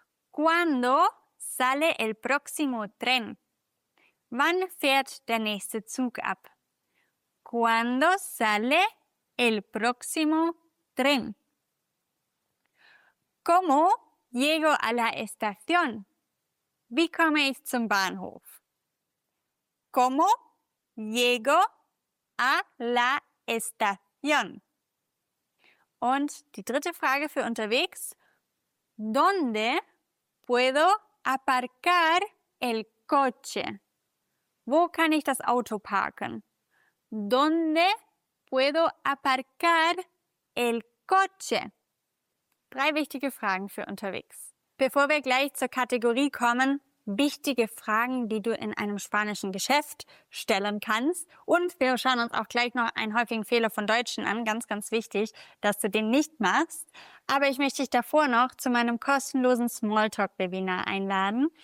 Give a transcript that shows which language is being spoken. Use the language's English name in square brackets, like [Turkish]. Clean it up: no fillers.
[Spanish] ¿Cuándo sale el próximo tren? [German] Wann fährt der nächste Zug ab? [Spanish] ¿Cuándo sale el próximo tren? ¿Cómo llego a la estación? [German] Wie komme ich zum Bahnhof? [Spanish] ¿Cómo llego a la estación? [German] Und die dritte Frage für unterwegs. [Spanish] ¿Dónde puedo aparcar el coche? [German] Wo kann ich das Auto parken? [Spanish] ¿Dónde puedo aparcar el coche? [German] Drei wichtige Fragen für unterwegs. Bevor wir gleich zur Kategorie kommen, wichtige Fragen, die du in einem spanischen Geschäft stellen kannst. Und wir schauen uns auch gleich noch einen häufigen Fehler von Deutschen an. Ganz, ganz wichtig, dass du den nicht machst. Aber ich möchte dich davor noch zu meinem kostenlosen Smalltalk-Webinar einladen.